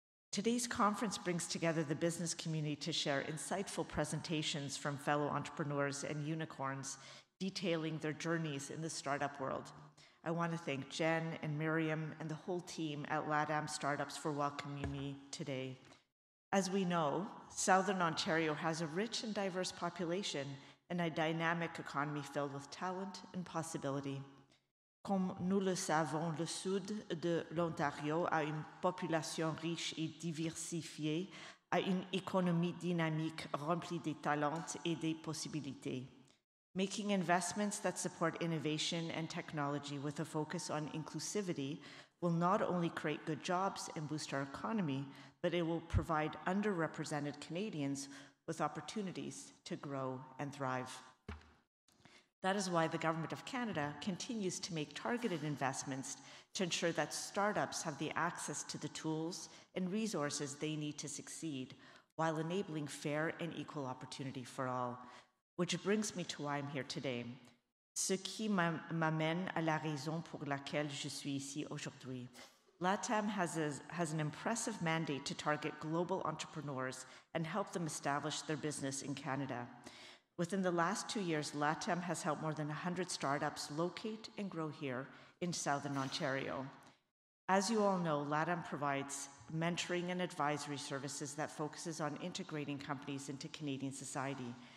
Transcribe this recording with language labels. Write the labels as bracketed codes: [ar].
[en] Today's conference brings together the business community to share insightful presentations from fellow entrepreneurs and unicorns detailing their journeys in the startup world. I want to thank Jen and Miriam and the whole team at LATAM Startups for welcoming me today. As we know, Southern Ontario has a rich and diverse population and a dynamic economy filled with talent and possibility. [fr] Comme nous le savons, le sud de l'Ontario a une population riche et diversifiée, a une économie dynamique remplie de talents et des possibilités. [en] Making investments that support innovation and technology with a focus on inclusivity will not only create good jobs and boost our economy, but it will provide underrepresented Canadians with opportunities to grow and thrive. That is why the Government of Canada continues to make targeted investments to ensure that startups have the access to the tools and resources they need to succeed while enabling fair and equal opportunity for all. Which brings me to why I'm here today. [fr] Ce qui m'amène à la raison pour laquelle je suis ici aujourd'hui. [en] LATAM has an impressive mandate to target global entrepreneurs and help them establish their business in Canada. Within the last 2 years, LATAM has helped more than 100 startups locate and grow here in Southern Ontario. As you all know, LATAM provides mentoring and advisory services that focuses on integrating companies into Canadian society.